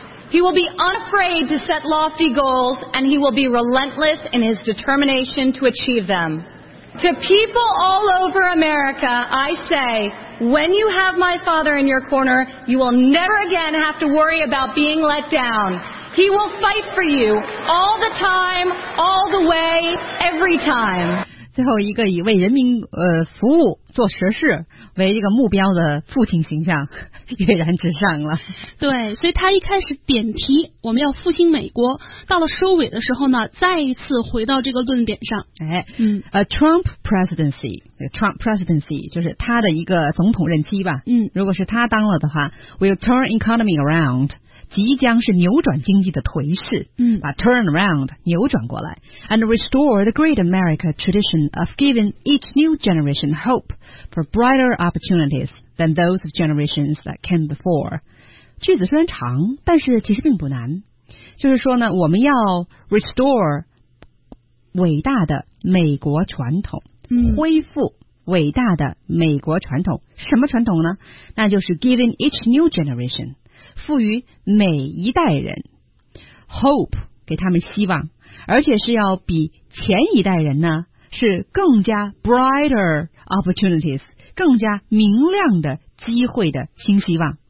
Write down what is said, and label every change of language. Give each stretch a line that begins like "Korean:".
English: He will be unafraid to set lofty goals, and he will be relentless in his determination to achieve them. To people all over America, I say,When you have my father in your corner, you will never again have to worry about being let down. He will fight for you all the time, all the way, every time.
Chinese: 最后一个以为人民服务做实事为这个目标的父亲形象跃然纸上了。对，所以他一开始点题我们要复兴美国，到了收尾的时候呢再一次回到这个论点上。哎，
English: A Trump presidency，
Chinese: Trump presidency 就是他的一个总统任期吧。嗯，如果是他当了的话
English: will turn economy around，
Chinese: 即将是扭转经济的颓势。嗯，把
English: turn around
Chinese: 扭转过来，
English: and restore the great America tradition of giving each new generation hope for brighter opportunitiesthan those of generations that came before.
Chinese: 句子虽然长，但是其实并不难。就是说呢，我们要 restore 伟大的美国传统，恢复伟大的美国传统。什么传统呢？那就是
English: giving each new generation，
Chinese: 赋予每一代人 hope， 给他们希望，而且是要比前一代人呢是更加
English: brighter opportunities，
Chinese: 更加明亮的机会的新希望。